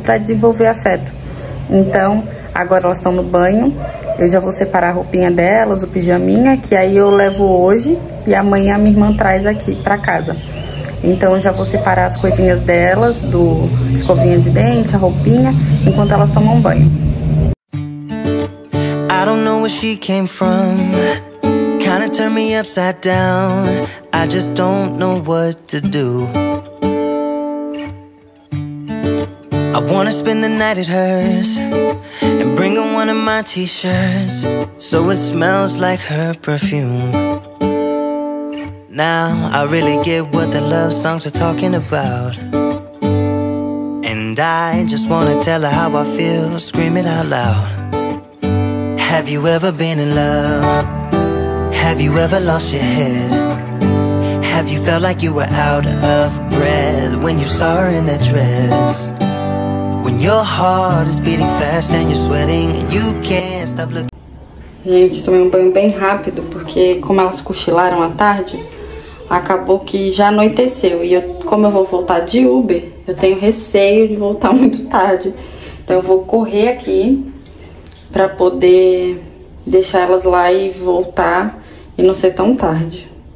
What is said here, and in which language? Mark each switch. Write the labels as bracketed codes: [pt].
[pt] Pra desenvolver afeto. Então, agora elas estão no banho. Eu já vou separar a roupinha delas, o pijaminha. Que aí eu levo hoje. E amanhã a minha irmã traz aqui pra casa. Então já vou separar as coisinhas delas, do escovinha de dente, a roupinha, enquanto elas tomam banho. [en] I don't know where she came from. Kinda turned me upside down. I just don't know what to do. I wanna spend the night at hers and bring her one of my t-shirts so it smells like her perfume. Now I really get what the love songs are talking about. And I just wanna tell her how I feel, scream it out loud. Have you ever been in love? Have you ever lost your head? Have you felt like you were out of breath when you saw her in that dress? When your heart is beating fast and you're sweating and you can't stop looking. [pt] Gente, tomei um banho bem rápido, porque como elas cochilaram à tarde, acabou que já anoiteceu. E eu, como eu vou voltar de Uber, eu tenho receio de voltar muito tarde. Então eu vou correr aqui pra poder deixar elas lá e voltar e não ser tão tarde.